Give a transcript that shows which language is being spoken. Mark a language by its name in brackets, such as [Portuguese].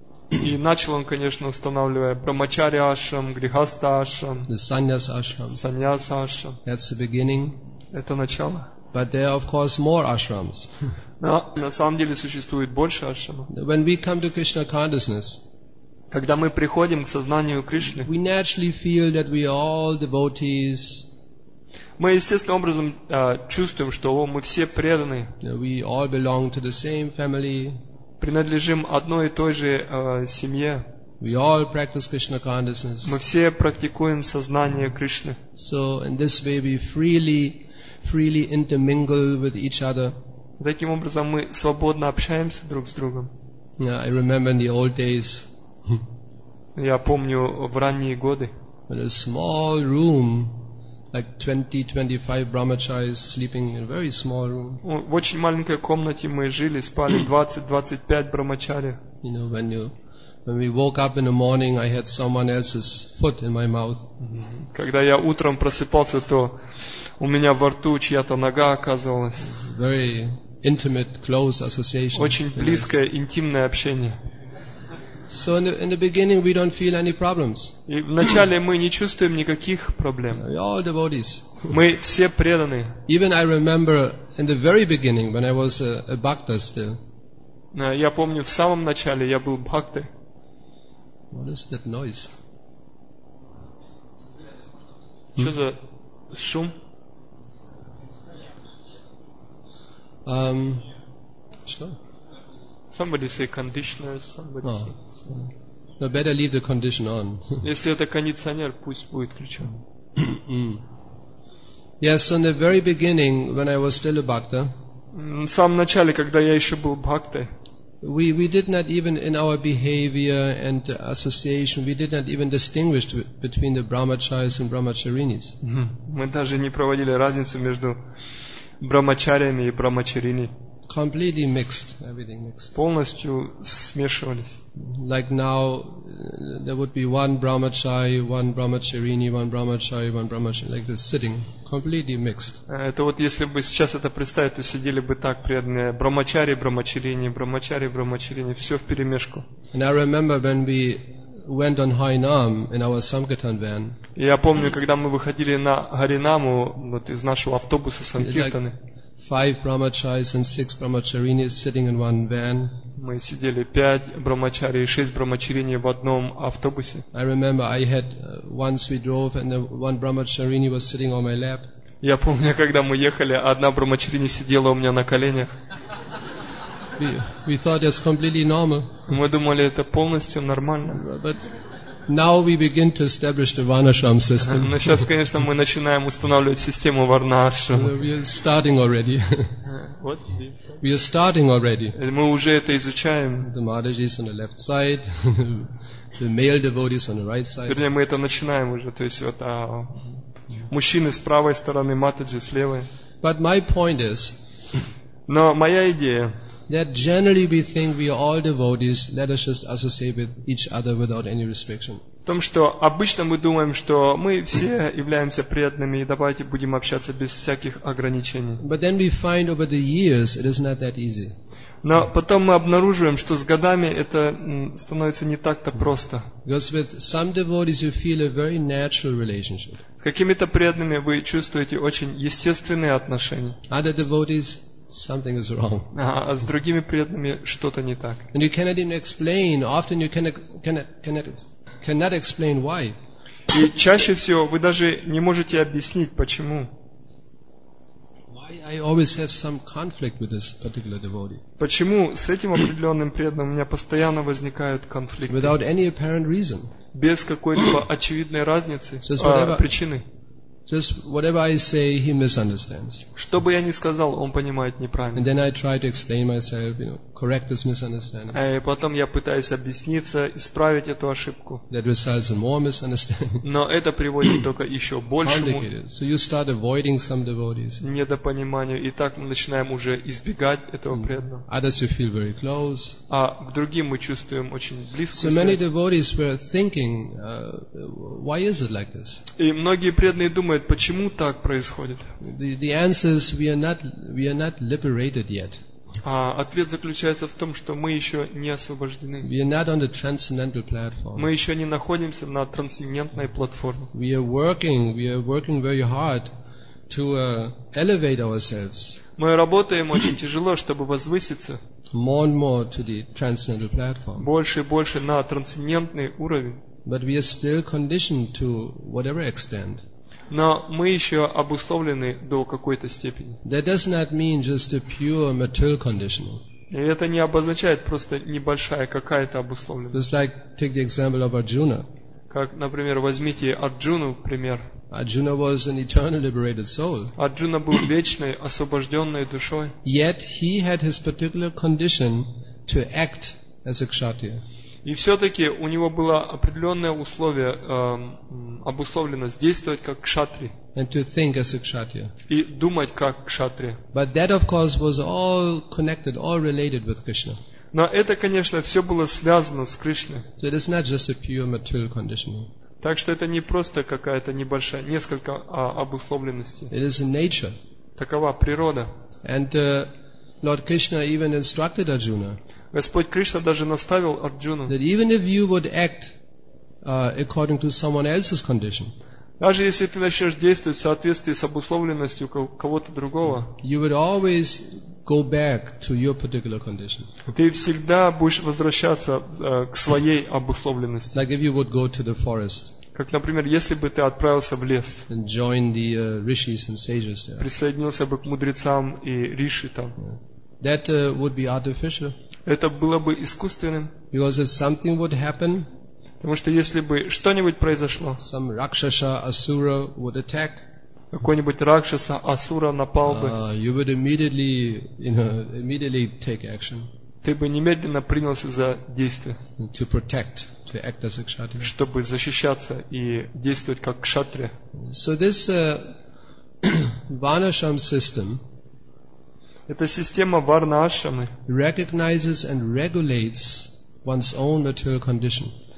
[Russian] И начал он, конечно, устанавливая Брахмачари Ашрам, Грихастха Ашрам, Саньяс Ашрам. Саньяс Ашрам. [English] That's the beginning. [Russian] Это начало. [English] But there are, of course, more ashrams. [Russian] Но на самом деле существует больше ашрам. [English] When we come to Krishna consciousness, [Russian] когда мы приходим к сознанию Кришны, [English] we naturally feel that we are all devotees. [Russian] Мы естественным образом чувствуем, что мы все преданы. [English] We all belong to the same family. [Russian] Принадлежим одной и той же семье. [English] We all practice Krishna consciousness. [Russian] Мы все практикуем сознание Кришны. [English] So in this way we freely intermingle with each other. [Russian] Таким образом мы свободно общаемся друг с другом. [English] Yeah, I remember in the old days. [Russian] Я помню в ранние годы. [English] In a small room, like 20-25 brahmacharis sleeping in a very small room. [Russian] В очень маленькой комнате мы жили, спали 20-25 брахмачари. [English] You know, when we woke up in the morning, I had someone else's foot in my mouth. [Russian] Когда я утром просыпался, то у меня во рту чья-то нога оказывалась. [English] Very intimate, close association. [Russian] Очень близкое, интимное общение. [English] So in the beginning we don't feel any problems. [Russian] И вначале мы не чувствуем никаких проблем. [English] We're all devotees. [Russian] Мы все преданные. [English] Even I remember in the very beginning when I was a bhakta still. [Russian] Я помню, в самом начале я был бхакта. [English] What is that noise? [Russian] Что за шум? Что? [English] Somebody say conditioners. Somebody say. No, better leave the condition on. [Russian] Если это кондиционер, пусть будет включен. [English] Yes, so in the very beginning, when I was still a bhakta. [Russian] В самом начале, когда я еще был бхакта. [English] We did not even in our behavior and association, we did not even distinguish between the brahmacharis and brahmacharinis. [Russian] Мы даже не проводили разницу между брахмачарями и брахмачарини. [English] Completely mixed, everything mixed. [Russian] Полностью смешивались. [English] Like now, there would be one brahmachari, one brahmacharini, one brahmachari, one brahmacharini, like this sitting, completely mixed. [Russian] Это вот если бы сейчас это представить, то сидели бы так преданные брахмачари, брахмачарини, брахмачари, брахмачарини, все вперемешку. [English] And I remember when we went on Harinam in our Sankirtan van. [Russian] Я помню, когда мы выходили на Харинаму вот из нашего автобуса Санкиртаны. [English] Five brahmacharis and six brahmacharinis sitting in one van. [Russian] Мы сидели пять брахмачари и шесть брахмачарини в одном автобусе. [English] I remember I had once we drove and the one brahmacharini was sitting on my lap. [Russian] Я помню, когда мы ехали, одна брахмачарини сидела у меня на коленях. [English] We thought it's completely normal. [Russian] Мы думали, это полностью нормально. [English] But now we begin to establish the Varnashram system. [Russian] Но сейчас, конечно, мы начинаем устанавливать систему Варнашрам. [English] We are starting already. What? We are starting already. [Russian] Мы уже это изучаем. [English] The Maharaji is on the left side. The male devotees on the right side. [Russian] Вернее, мы это начинаем уже. То есть вот мужчины с правой стороны, матаджи с левой. [English] But my point is. [Russian] Но моя идея. [English] That generally we think we are all devotees, let us just associate with each other without any restriction. [Russian] В том, что обычно мы думаем, что мы все являемся преданными, и давайте будем общаться без всяких ограничений. [English] But then we find over the years it is not that easy. [Russian] Но потом мы обнаруживаем, что с годами это становится не так-то просто. [English] Because with some devotees you feel a very natural relationship. [Russian] С какими-то преданными вы чувствуете очень естественные отношения. [English] Other devotees something is wrong. [Russian] А с другими преданными что-то не так. [English] And you cannot even explain. Often you cannot explain why. [Russian] И чаще всего вы даже не можете объяснить, почему. [English] Why I always have some conflict with this particular devotee. [Russian] Почему с этим определенным преданным у меня постоянно возникают конфликты? [English] Without any apparent reason. [Russian] Без какой-либо очевидной разницы, причины. [English] Just whatever I say, he misunderstands. [Russian] Что бы я ни сказал, он понимает неправильно. [English] And then I try to explain myself, you know, correct this misunderstanding. [Russian] И потом я пытаюсь объясниться, исправить эту ошибку. [English] That results in more misunderstanding. [Russian] Но это приводит только еще большему. [English] So you start avoiding some devotees. [Russian] Недопониманию. И так мы начинаем уже избегать этого преданного. [English] Others you feel very close. [Russian] А к другим мы чувствуем очень близко. [English] So many devotees were thinking, why is it like this? [Russian] И многие преданные думает, почему так происходит? [English] The answer is we are not liberated yet. [Russian] А ответ заключается в том, что мы еще не освобождены. [English] We are not on the transcendental platform. [Russian] Мы еще не находимся на трансцендентной платформе. [English] We are working very hard to elevate ourselves. [Russian] Мы работаем очень тяжело, чтобы возвыситься. [English] More and more to the transcendental platform. [Russian] Больше и больше на трансцендентный уровень. [English] But we are still conditioned to whatever extent. [Russian] Но мы еще обусловлены до какой-то степени. [English] That does not mean just a pure material conditioning. [Russian] И это не обозначает просто небольшая какая-то обусловленность. [English] Just like take the example of Arjuna. [Russian] Как, например, возьмите Арджуну, пример. [English] Arjuna was an eternally liberated soul. [Russian] Арджуна был вечной освобожденной душой. [English] Yet he had his particular condition to act as a kshatriya. [Russian] И все-таки у него было определенное условие, обусловленность действовать как кшатри. [English] And to think as a kshatriya. [Russian] И думать как кшатри. [English] But that, of course, was all connected, all related with Krishna. [Russian] Но это, конечно, все было связано с Кришной. [English] So it is not just a pure material conditioning. [Russian] Так что это не просто какая-то небольшая, несколько обусловленностей. [English] It is nature. [Russian] Такова природа. [English] And Lord Krishna even instructed Arjuna. [Russian] Господь Кришна даже наставил Арджуну. [English] That even if you would act according to someone else's condition. [Russian] Даже если ты начнешь действовать в соответствии с обусловленностью кого-то другого. [English] You would always go back to your particular condition. [Russian] Ты всегда будешь возвращаться к своей обусловленности. [English] Like if you would go to the forest. [Russian] Как, например, если бы ты отправился в лес. [English] And join the rishis and sages there. [Russian] Присоединился бы к мудрецам и риши там. [English] That would be artificial. [Russian] Это было бы искусственным. [English] Because if something would happen, [Russian] потому что если бы что-нибудь произошло, [English] some rakshasa asura would attack, [Russian] какой-нибудь ракшаса асура напал бы, [English] you would immediately, you know, immediately take action. [Russian] Ты бы немедленно принялся за действие. [English] To protect, to act as a kshatriya. [Russian] Чтобы защищаться и действовать как кшатрия. [English] So this Varnasham system. [Russian] Эта система варна-ашрамы [English] recognizes and regulates one's own material condition.